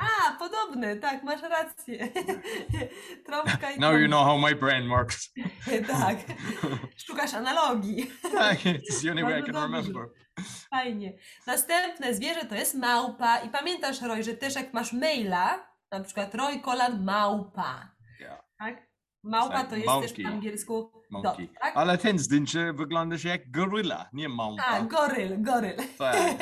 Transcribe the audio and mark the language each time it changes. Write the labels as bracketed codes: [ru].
[pl] A, podobne, tak, masz rację. Trąbka i [en] now you know how my brain works. [pl] Tak. Szukasz analogii. [en] Tak, it's the only way I can remember. [pl] Fajnie. Następne zwierzę to jest małpa. I pamiętasz, Roy, że też jak masz maila, na przykład Roy Kolan małpa. [en] Yeah. [pl] Tak? Małpa to jest też po angielsku. [en] Monkey. [pl] Tak? Ale ten zdjęcie wygląda się jak goryla, nie małpa. A, goryl. Tak.